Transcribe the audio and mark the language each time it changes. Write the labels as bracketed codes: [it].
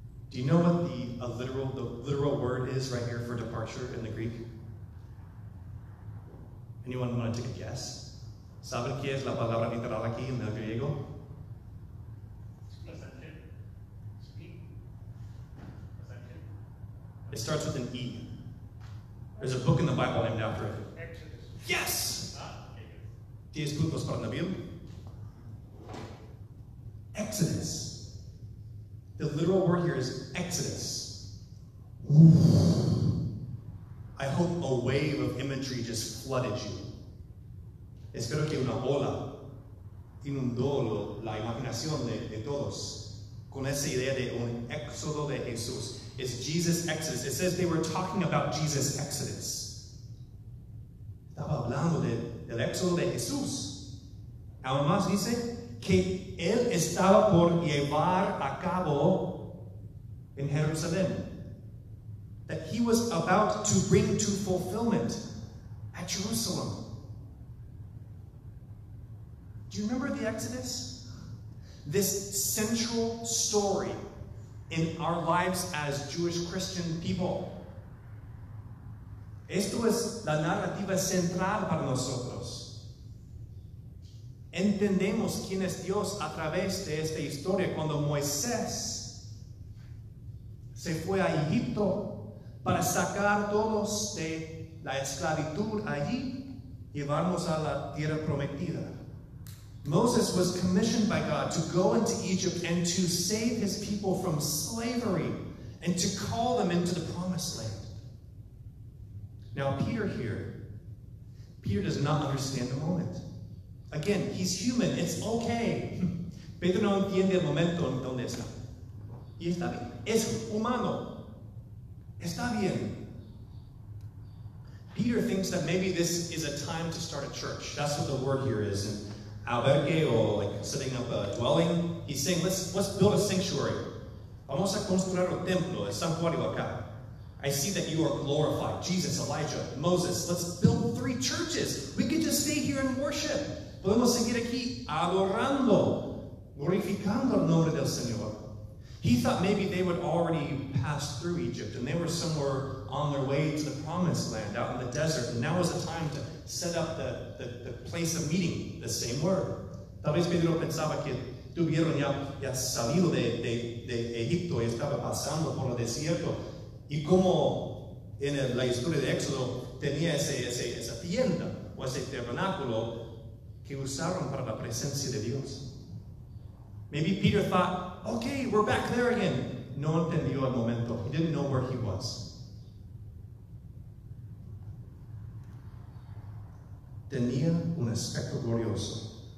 [en] Do you know what the literal word is right here for departure in the Greek? Anyone want to take a guess? [es] ¿Saben qué es la palabra literal aquí en el griego? [en] It starts with an E. There's a book in the Bible named after it. Exodus. Yes! [es] 10 puntos para Nabil. [en] Exodus. The literal word here is Exodus. I hope a wave of imagery just flooded you. [es] Espero que una ola inundó la imaginación de todos con esa idea de un éxodo de Jesús. [en] It's Jesus' Exodus. It says they were talking about Jesus' Exodus. [es] Estaba hablando del éxodo de Jesús. Aún más dice que él estaba por llevar a cabo en Jerusalén. [en] That he was about to bring to fulfillment at Jerusalem. Do you remember the Exodus? This central story in our lives as Jewish Christian people. [es] Esto es la narrativa central para nosotros. Entendemos quién es Dios a través de esta historia. Cuando Moisés se fue a Egipto para sacar todos de la esclavitud allí, llevarnos a la tierra prometida. [en] Moses was commissioned by God to go into Egypt and to save his people from slavery and to call them into the promised land. Now Peter does not understand the moment. Again, he's human, it's okay. [es] Pedro no entiende el momento en donde está. Y está bien, es humano. Está bien. [en] Peter thinks that maybe this is a time to start a church. That's what the word here is. And albergue, or like setting up a dwelling, he's saying, let's build a sanctuary. [es] Vamos a construir un templo, el santuario acá. [en] I see that you are glorified. Jesus, Elijah, Moses, let's build three churches. We can just stay here and worship. [es] Podemos seguir aquí adorando, glorificando el nombre del Señor. [en] He thought maybe they would already pass through Egypt and they were somewhere on their way to the promised land out in the desert. And now is the time to set up the place of meeting, the same word. [es] Tal vez Pedro pensaba que tuvieron ya salido de Egipto y estaba pasando por el desierto. Y como en la historia de Éxodo tenía esa tienda o ese tabernáculo que usaron para la presencia de Dios. [en] Maybe Peter thought, okay, we're back there again. [es] No entendió el momento. [en] He didn't know where he was. [es] Tenía un aspecto glorioso.